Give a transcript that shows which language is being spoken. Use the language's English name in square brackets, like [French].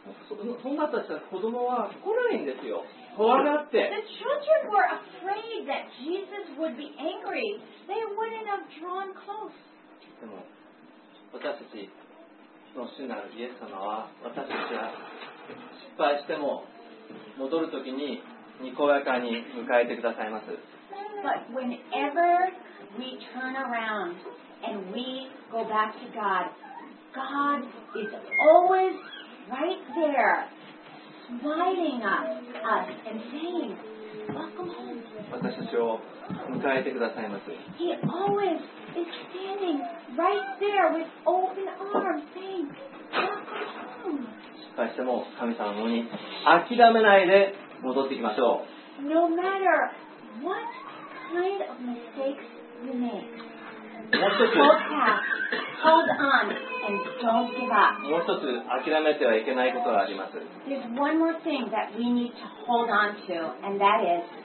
[Japanese] そんなたちは子供は怒れないんですよ。怖がって。 [English] The children were afraid that Jesus would be angry. They wouldn't have drawn close. [Japanese] でも私たちの主なるイエス様は私たちが失敗しても戻るときににこやかに迎えてくださいます。 [English] But whenever we turn around and we go back to God.God is always right there, inviting us and saying, "Welcome home." [Japanese] 私たちを迎えてくださいます。 [English] He always is standing right there with open arms, saying, "Welcome home." [Japanese] 失敗しても神様のに諦めないで戻っていきましょう。 [English] No matter what kind of mistakes you make. [Japanese] もう一つ諦めてはいけないことがあります。 [English] There's one more thing that we need to hold on to, and that is